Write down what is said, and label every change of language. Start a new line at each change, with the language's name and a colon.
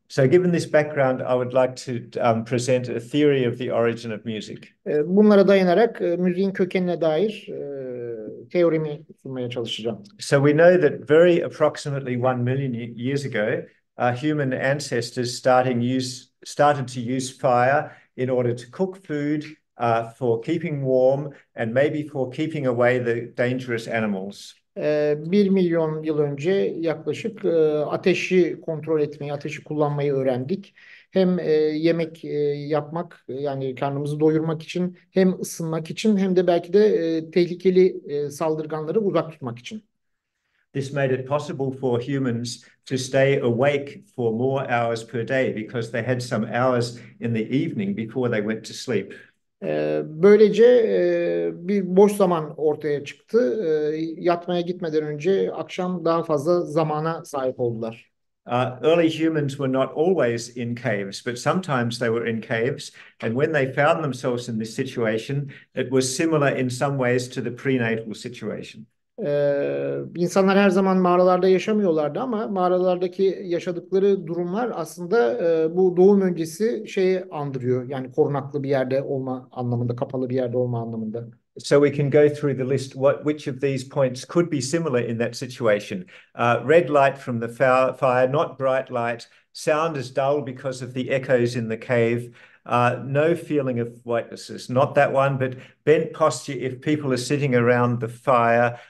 English: So, given this background, I would like to present a theory of the origin of music.
Turkish: Bunlara dayanarak müziğin kökenine dair teorimi sunmaya çalışacağım.
English: So we know that very approximately 1 million years ago, our human ancestors started to use fire in order to cook food, for keeping warm and maybe for keeping away the dangerous animals.
Turkish: 1 milyon yıl önce yaklaşık ateşi kontrol etmeyi, ateşi kullanmayı öğrendik. Hem yemek yapmak yani karnımızı doyurmak için, hem ısınmak için, hem de belki de tehlikeli saldırganları uzak tutmak için.
English: This made it possible for humans to stay awake for more hours per day because they had some hours in the evening before they went to sleep.
Turkish: Böylece bir boş zaman ortaya çıktı. Yatmaya gitmeden önce akşam daha fazla zamana sahip oldular.
English: Early humans were not always in caves, but sometimes they were in caves. And when they found themselves in this situation, it was similar in some ways to the prenatal situation.
Turkish: İnsanlar her zaman mağaralarda yaşamıyorlardı ama mağaralardaki yaşadıkları durumlar aslında bu doğum öncesi şeyi andırıyor. Yani korunaklı bir yerde olma anlamında, kapalı bir yerde olma anlamında.
English: So we can go through the list. Which of these points could be similar in that situation? Red light from the fire, not bright light. Sound is dull because of the echoes in the cave. No feeling of whitenesses, not that one, but bent posture if people are sitting around the fire.